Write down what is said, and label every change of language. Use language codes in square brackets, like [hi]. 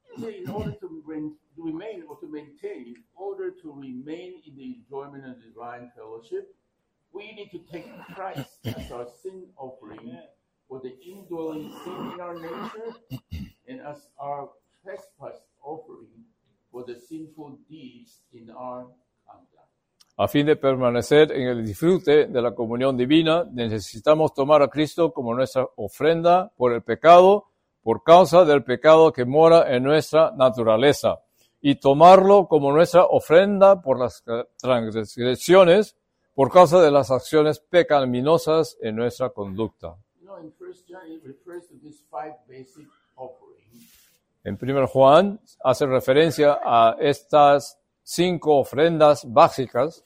[en] In order to remain or to maintain, in order to remain in the enjoyment of divine fellowship, we need to take Christ as our sin offering. For the indwelling sin in our nature, and as our trespass offering for the sinful deeds in our conduct. [es] A fin de permanecer en el disfrute de la comunión divina, necesitamos tomar a Cristo como nuestra ofrenda por el pecado, por causa del pecado que mora en nuestra naturaleza, y tomarlo como nuestra ofrenda por las transgresiones, por causa de las acciones pecaminosas en nuestra conducta. [en] In 1 John, it refers to these five basic offerings. [es] En 1 Juan hace referencia a estas cinco ofrendas básicas.